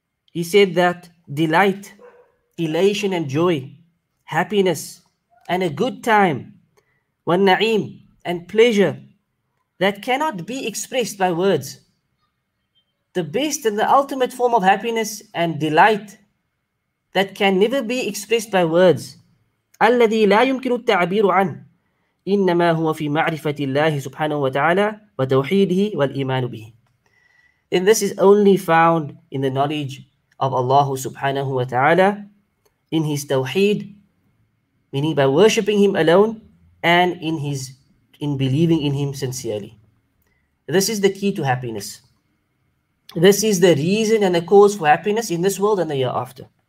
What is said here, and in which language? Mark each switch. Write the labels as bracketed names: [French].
[English] He said that delight, elation and joy, happiness and a good time, wal-na'im and pleasure, that cannot be expressed by words. The best and the ultimate form of happiness and delight that can never be expressed by words. [Arabic] الذي لا يمكن التعبير عن إنما هو في معرفة الله سبحانه وتعالى وتوحيده والإيمان به. [English] And this is only found in the knowledge of Allah سبحانه وتعالى, in his tawheed, meaning by worshipping him alone, and in believing in him sincerely. This is the key to happiness. This is the reason and the cause for happiness in this world and the year after.